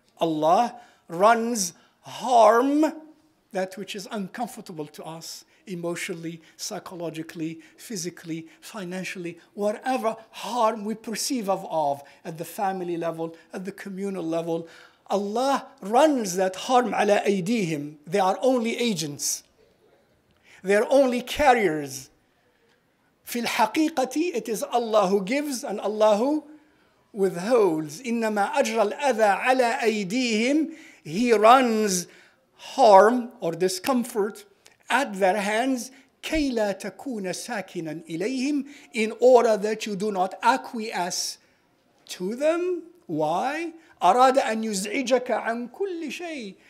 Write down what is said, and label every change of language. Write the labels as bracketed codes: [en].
[en] Allah runs harm, that which is uncomfortable to us, emotionally, psychologically, physically, financially, whatever harm we perceive of at the family level, at the communal level. Allah runs that harm [ar] ala aydihim. [en] They are only agents. They are only carriers. [ar] في الحقيقة [en] it is Allah who gives and Allah who withholds. [ar] إنما أجر الأذى على أيديهم. [en] He runs harm or discomfort at their hands, [ar] كي لا تكون ساكنا إليهم, [en] in order that you do not acquiesce to them. Why? [ar] أراد أن يزعجك عن كل شيء.